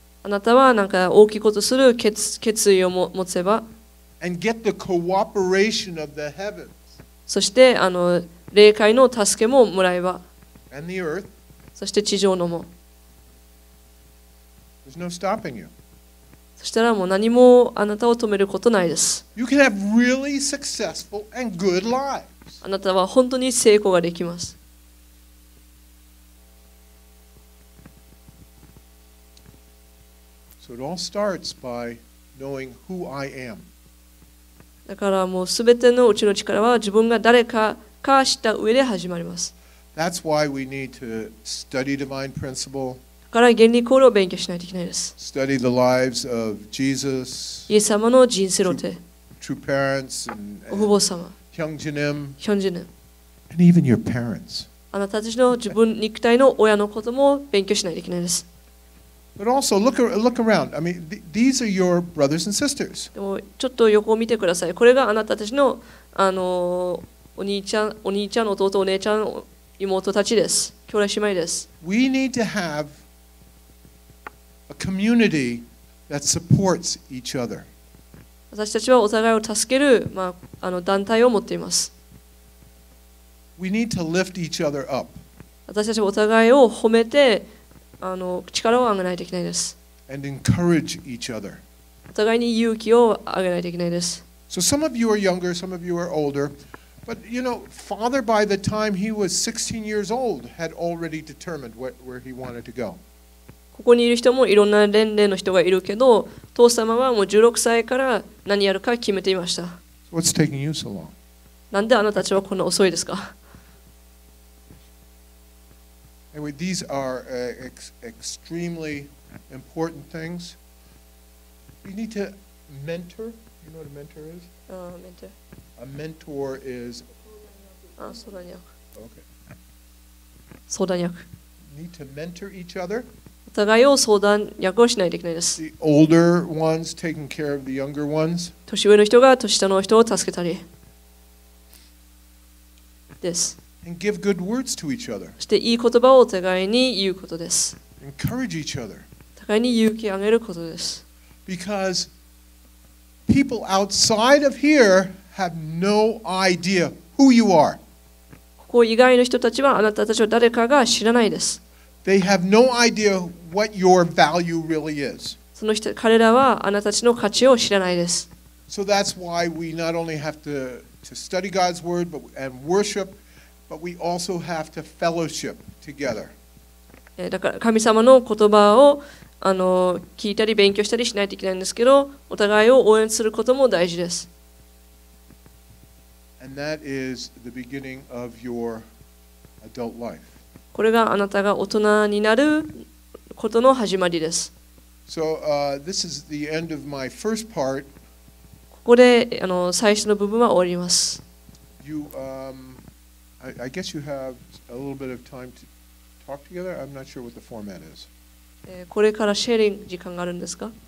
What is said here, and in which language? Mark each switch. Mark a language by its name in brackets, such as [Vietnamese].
[Japanese] あなたはなんか大きいことする決意を持てば、 [English] and get the cooperation of the heavens, [Japanese] そして霊界の助けももらえば、 [English] and the earth, [Japanese] そして地上のも、 [English] there's no stopping you. [Japanese] そしたらもう何もあなたを止めることないです。 [English] You can have really successful and good lives. [Japanese] あなたは本当に成功ができます。 [English] So it all starts by knowing who I am. [Japanese] だからもうすべてのうちの力は自分が誰かか知った上で始まります。 [English] That's why we need to study divine principle. [Japanese] から原理コールを勉強しないといけないです。 [English] Study the lives of Jesus, [Japanese] イエス様の人生の手、 [English] true parents, [Japanese] お父母様、ヒョンジュニム、 [English] and even your parents. [Japanese] あなたたちの自分肉体の親のことも勉強しないといけないです。 [English] But also look around. I mean, these are your brothers and sisters. [Japanese] でもちょっと横を見てください。これがあなたたちのお兄ちゃん、お姉ちゃん、妹たちです。兄弟姉妹です。 [English] We need to have. Community that supports each other. [Japanese] 私たちはお互いを助ける、まあ、団体を持っています。 [English] We need to lift each other up. [Japanese] 私たちはお互いを褒めて、力を上げないといけないです。 [English] And encourage each other. [Japanese] お互いに勇気を上げないといけないです。 [English] So some of you are younger, some of you are older, but you know, father by the time he was 16 years old had already determined where he wanted to go. [Japanese] ここにいる人もいろんな年齢の人がいるけど、父様はもう16歳から何やるか決めていました。 [English] What's taking you so long? [Japanese] なんであなたたちはこんな遅いですか? [English] Anyway, these are extremely important things. You need to mentor. You know what a mentor is? Mentor. A mentor is. [Japanese] 相談役。 [English] Okay. [Japanese] 相談役。 [English] You need to mentor each other. [Japanese] お互いを相談役をしないといけないです。 [English] The older ones taking care of the younger ones. [Japanese] 年上の人が年下の人を助けたりです。 [English] And give good words to each other. [Japanese] そしていい言葉をお互いに言うことです。 [English] Encourage each other. [Japanese] お互いに勇気をあげることです。 [English] Because people outside of here have no idea who you are. [Japanese] ここ以外の人たちはあなたたちを誰かが知らないです。 [English] They have no idea what your value really is. [Japanese] その人、彼らはあなたたちの価値を知らないです。 [English] So that's why we not only have to study God's word but, and worship, but we also have to fellowship together. [Japanese] だから神様の言葉を聞いたり勉強したりしないといけないんですけど、お互いを応援することも大事です。 [English] And that is the beginning of your adult life. [Japanese] これがあなたが大人になることの始まりです。 [English] So, this is the end of my first part. [Japanese] ここで最初の部分は終わります。 [English] You, I guess you have a little bit of time to talk together. I'm not sure what the format is. [Japanese] これからシェアリング時間があるんですか？